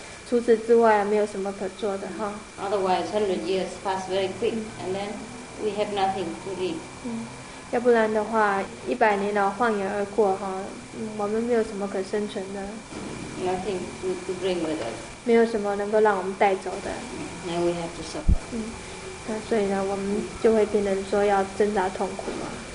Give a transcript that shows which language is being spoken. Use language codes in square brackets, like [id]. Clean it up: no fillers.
[zh] 除此之外，没有什么可做的哈。 [en] Otherwise, 100 years pass very quick, and then we have nothing to eat. [zh] 要不然的话，100年呢，晃眼而过哈，我们没有什么可生存的。 [en] Nothing to bring with us. [zh] 没有什么能够让我们带走的。 [en] And we have to suffer. [zh] 那所以呢，我们就会变成说要挣扎痛苦嘛。